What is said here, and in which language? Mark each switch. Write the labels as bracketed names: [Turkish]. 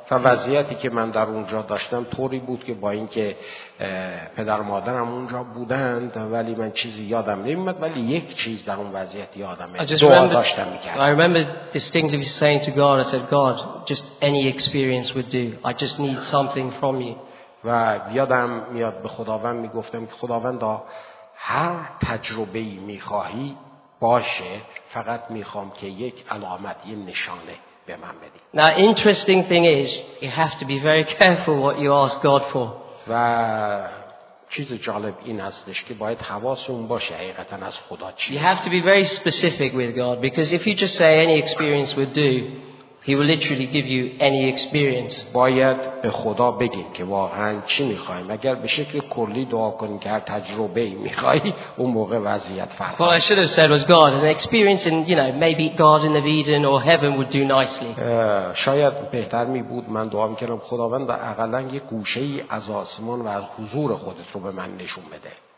[Persian] وضعیتی که من در اونجا داشتم طوری بود که با اینکه پدر و مادرم اونجا بودند ولی من چیزی یادم نمیاد ولی یک چیز در اون وضعیت یادمه. دعا داشتم می‌کردم. [English] I remember distinctly saying to God, I said, God, just any experience would do. I just need something from you. [Persian] و یادم میاد به خداوند میگفتم که خداوندا هر تجربه‌ای می‌خواهی باشه فقط می‌خوام که یک علامت یه نشانه. [English] Now, interesting thing is, you have to be very careful what you ask God for. [Persian] و چیز جالب این هستش که باید حواسمون باشه حقیقتاً از خدا چی. [English] You have to be very specific with God because if you just say any experience would do, He will literally give you any experience. [Persian] باید به خدا بگیم که واقعاً چی میخوایم. اگر به شکل کلی دعا کنیم که تجربه میخوایی، اون موقع وضعیت فرق. [English] What I should have said was God, an experience in, you know, maybe Garden of Eden or heaven would do nicely. [Persian] شاید بهتر می بود من دعا میکردم خداوند حداقل یک گوشه ای از آسمان و از حضور خودت رو به من نشون بده.